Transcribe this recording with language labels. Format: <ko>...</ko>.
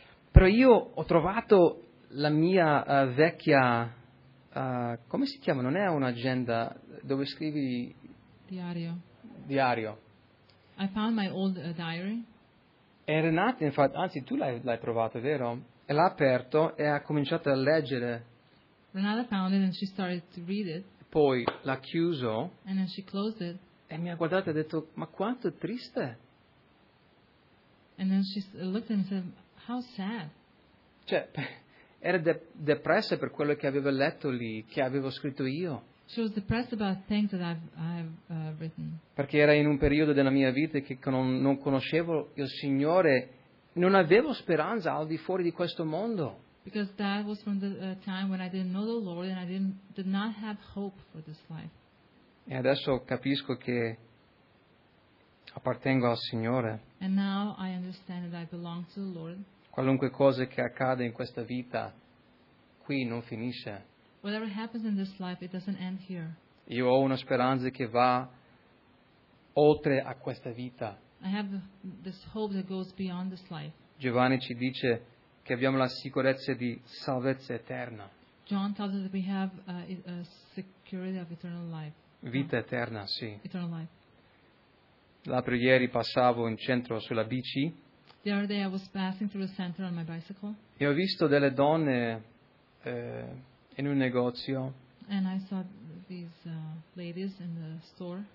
<it>Però io ho trovato la mia vecchia, come si chiama? Non è un'agenda dove scrivi? Diario. Diario.</it> <en>I found my old diary.</en> <it>E Renata, infatti, anzi tu l'hai trovato, vero? E l'ha aperto e ha cominciato a leggere.</it> <en>Renata found it and she started to read it.</en> <it>Poi l'ha chiuso.</it> <en>And then she closed it.</en> <it>E mi ha guardato e ha detto, ma quanto triste.</it> <en>And then she looked at me and said, how sad.</en> <it>Cioè, era depressa per quello che aveva letto lì, che avevo scritto io.</it> <en>She was depressed about things that I've written.</en> <it>Perché era in un periodo della mia vita che non conoscevo il Signore, non avevo speranza al di fuori di questo mondo.</it> <en>Because that was from the time when I didn't know the Lord and I did not have hope for this life.</en> <it>E adesso capisco che appartengo al Signore.</it> <en>And now I understand that I belong to the Lord.</en> <it>Qualunque cosa che accade in questa vita qui non finisce.</it> <en>Whatever happens in this life, it doesn't end here.</en> <it>Io ho una speranza che va oltre a questa vita.</it> <en>I have this hope that goes beyond this life.</en> <it>Giovanni ci dice che abbiamo la sicurezza di salvezza eterna.</it> <en>John tells us that we have a security of eternal life.</en> <it>Vita eterna, sì.</it> <en>Eternal life.</en> <it>L'altro ieri passavo in centro sulla bici.</it> <en>The other day I was passing through the center on my bicycle.</en> <it>E ho visto delle donne in un negozio.</it> <en>And I saw these ladies in the store.</en>